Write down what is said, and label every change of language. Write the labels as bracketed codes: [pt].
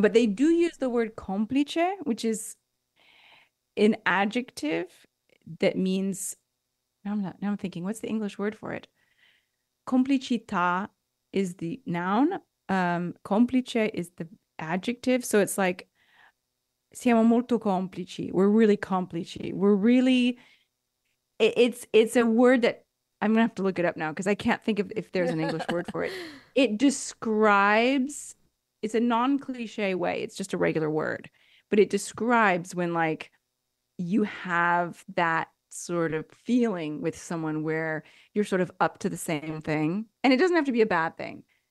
[en] But they do use the word complice, which is an adjective that means, now I'm thinking, what's the English word for it? Complicità is the noun. Complice is the adjective. So it's like, [it] siamo molto complici. [en] We're really complici. It's a word that, I'm going to have to look it up now because I can't think of if there's an English word for it. It describes, it's a non-cliche way. It's just a regular word, but it describes when like you have that sort of feeling with someone where you're sort of up to the same thing, and it doesn't have to be a bad thing.